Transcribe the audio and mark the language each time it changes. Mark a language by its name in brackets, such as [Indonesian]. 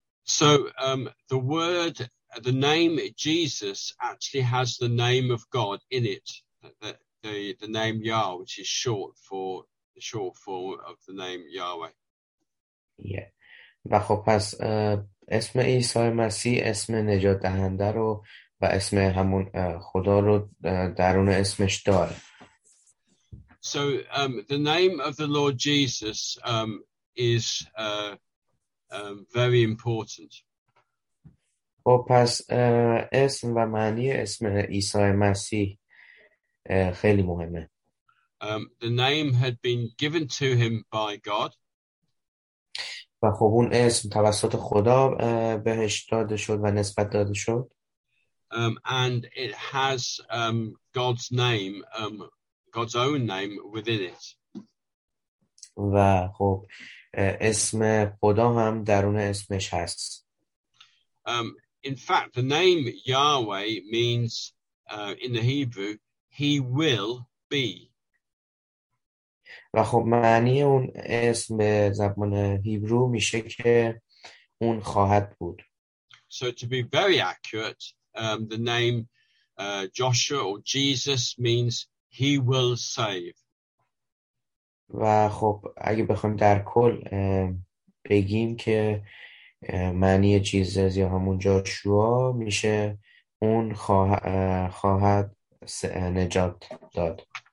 [English] So the word, the name Jesus actually has the name of God in it, the name Yah, which is short for the short form of the name Yahweh. Yeah. [Persian] و خب پس اسم عیسی مسیح اسم نجات دهنده رو و اسم همون خدا رو درون اسمش داره. [English] So the name of the Lord Jesus is very important. [Persian] خب پس اسم و معنی اسم عیسی مسیح خیلی مهمه. [English] The name had been given to him by God. [Persian] و خب اون اسم توسط خدا بهش داده شد و نسبت داده شد. [English] And it has God's name, God's own name within it. [Persian] و خب اسم خدا هم درون اسمش هست. [English] In fact, the name Yahweh means in the Hebrew, he will be. [Persian] و خب معنی اون اسم به زبان هیبرو میشه که اون خواهد بود. [English] So to be very accurate, the name Joshua or Jesus means he will save. [Persian] و خب اگه بخوایم در کل بگیم که معنی جیزس یا همون جاشوا میشه اون خواهد نجات داد.